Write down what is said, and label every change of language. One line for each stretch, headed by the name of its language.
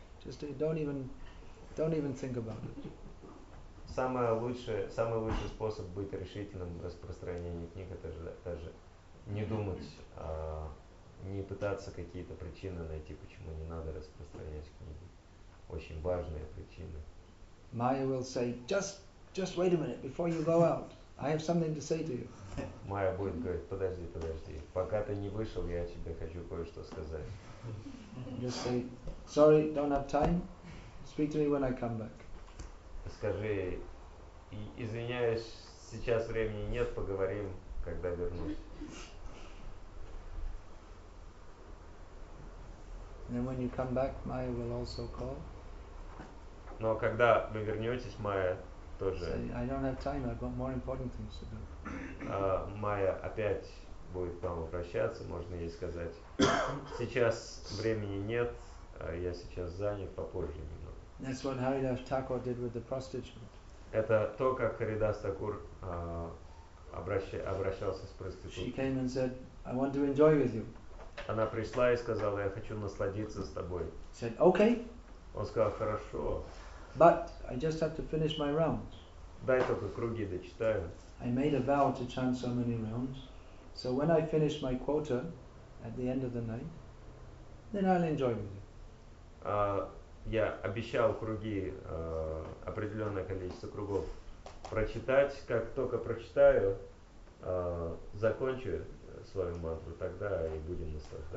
English: Just don't even think about it.
Russian: Самый лучший способ быть решительным в распространении книг — это даже не думать, не пытаться какие-то причины найти, почему не надо распространять книги. Очень важные причины.
English: Maya will say, just wait a minute before you go out. I have something to say to you.
Russian: Maya будет говорить, подожди. Пока ты не вышел, я тебе хочу кое-что сказать.
English: Just say, sorry, don't have time. Speak to me when I come back.
Russian: Скажи, извиняюсь, сейчас времени нет, поговорим, когда вернусь.
English: Then when you come back, Maya will also call.
Russian: Но когда вы вернетесь, Maya тоже.
English: Say, I don't have time, I've got more important things to do.
Russian: Maya опять будет к вам обращаться, можно ей сказать. Сейчас времени нет, я сейчас занят, попозже немного.
English: That's what Haridas Thakur did with the prostitute.
Russian: Это то, как Харидас Такур обращался с проституткой.
English: She came and said, I want to enjoy with you.
Russian: Она пришла и сказала, я хочу насладиться с тобой.
English: Said, okay.
Russian: Он сказал, хорошо.
English: But I just have to finish my rounds.
Russian: Дай только круги дочитаю.
English: I made a vow to chant so many rounds. So when I finish my quota at the end of the night, then I'll enjoy with you.
Russian: Я обещал круги, определенное количество кругов прочитать. Как только прочитаю, закончу свою мантру, тогда и будем наслаждаться.